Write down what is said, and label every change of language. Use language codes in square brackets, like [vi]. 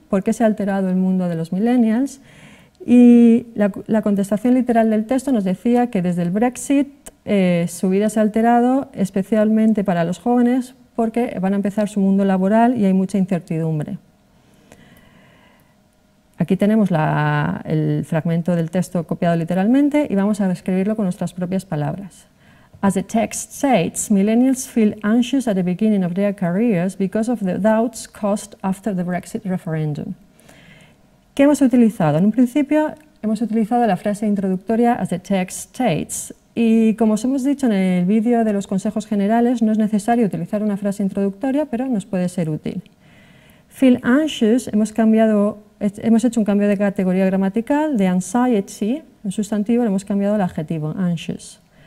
[es] ¿Por qué se ha alterado el mundo de los millennials? Y la contestación literal del texto nos decía que desde el Brexit su vida se ha alterado, especialmente para los jóvenes, porque van a empezar su mundo laboral y hay mucha incertidumbre. Aquí tenemos el fragmento del texto copiado literalmente y vamos a reescribirlo con nuestras propias palabras. [en] As the text states, millennials feel anxious at the beginning of their careers because of the doubts caused after the Brexit referendum. [es] ¿Qué hemos utilizado? En un principio hemos utilizado la frase introductoria [en] as the text states [es] y como os hemos dicho en el vídeo de los consejos generales no es necesario utilizar una frase introductoria pero nos puede ser útil. [en] Feel anxious, [es] hemos hecho un cambio de categoría gramatical de anxiety, el sustantivo, le hemos cambiado el adjetivo, anxious.